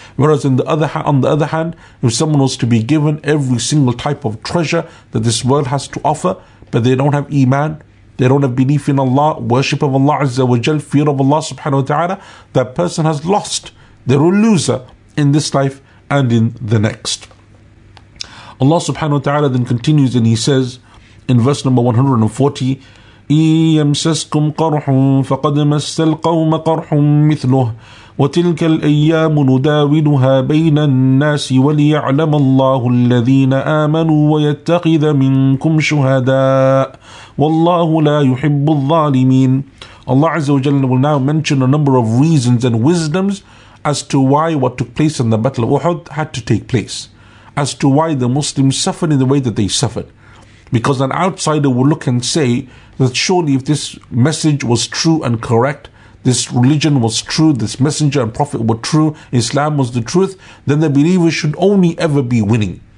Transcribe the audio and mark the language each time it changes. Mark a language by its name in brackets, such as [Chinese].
[English] Whereas on the other hand, if someone was to be given every single type of treasure that this world has to offer, but they don't have Iman, they don't have belief in Allah, worship of Allah Azza wa Jal, fear of Allah subhanahu wa ta'ala, that person has lost. They're a loser in this life and in the next. Allah subhanahu wa ta'ala then continues and he says in verse number 140, [Arabic] إِن يَمْسَسْكُمْ قَرْحٌ فَقَدْ مَسَّ الْقَوْمَ قَرْحٌ مِثْلُهُ وَتِلْكَ الْأَيَّامُ نُدَاوِلُهَا بَيْنَ النَّاسِ وَلِيَعْلَمَ اللَّهُ الَّذِينَ آمَنُوا وَيَتَّخِذَ مِنْكُمْ شُهَدَاءَ وَاللَّهُ لَا يُحِبُّ الظَّالِمِينَ. [English] Allah Azza wa Jalla will now mention a number of reasons and wisdoms as to why what took place in the Battle of Uhud had to take place, as to why the Muslims suffered in the way that they suffered. Because an outsider will look and say that surely if this message was true and correct, this religion was true, this messenger and prophet were true, Islam was the truth, then the believers should only ever be winning.